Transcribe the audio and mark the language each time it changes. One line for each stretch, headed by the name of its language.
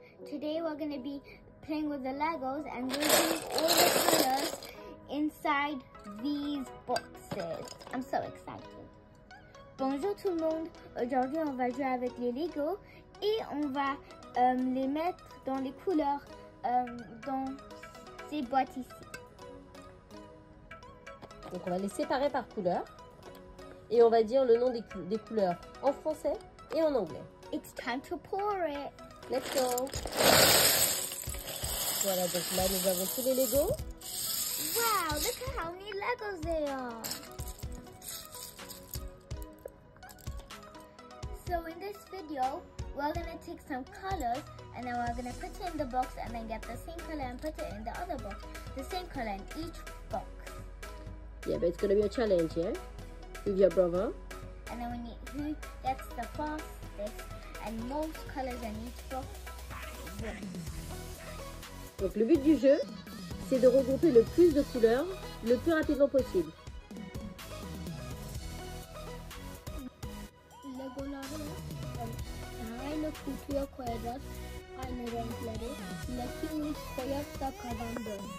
English: today we're going to be playing with the Legos and using all the colors inside these boxes. I'm so excited.
French: Bonjour tout le monde. Aujourd'hui, on va jouer avec les Legos et on va les mettre dans les couleurs dans ces boîtes ici. Donc, on va les séparer par couleur et on va dire le nom des couleurs en français et en anglais.
English: It's time to pour it. Let's go.
French: Voilà, donc là, nous avons tous les Legos.
English: Wow, look at how many Legos there are. So in this video, we're going to take some colors and then we're going to put it in the box and then get the same color and put it in the other box. The same color in each box. Yeah, but it's going to be a challenge, yeah? With your brother. And then we need who gets the fastest and most colors in each box.
French: Donc le but du jeu, c'est de regrouper le plus de couleurs le plus rapidement possible.
English: Lego Lego, I know you are quiet, I know you are let me play the commander.